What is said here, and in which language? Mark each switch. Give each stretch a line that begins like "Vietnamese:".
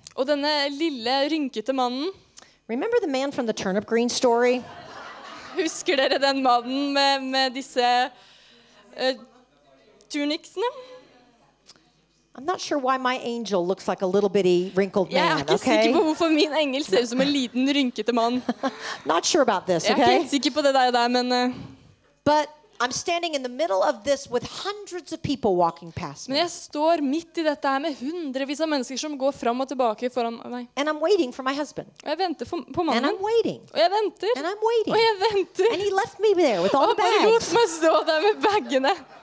Norwegian: Og denne lille rynkete mannen.
English: Remember the man from the turnip green story?
Norwegian: Husker dere den mannen med disse tuniksene?
English: I'm not sure why my angel looks like a little bitty wrinkled man, okay?
Norwegian: Jeg ikke sikker på hvorfor min engel ser ut som en liten rynkete mann.
English: Not sure about this, okay?
Norwegian: Jeg ikke sikker på det der, men...
English: But I'm standing in the middle of this with hundreds of people walking past me.
Norwegian: Men jeg står midt I dette her med hundrevis av mennesker som går fram og tilbake foran meg.
English: And I'm waiting for my husband.
Norwegian: Og jeg venter på mannen.
English: And I'm waiting.
Norwegian: Og jeg venter.
English: And I'm waiting.
Norwegian: Og jeg venter.
English: And he left me there with all the bags.
Norwegian: Og han lot meg stå der med bagene.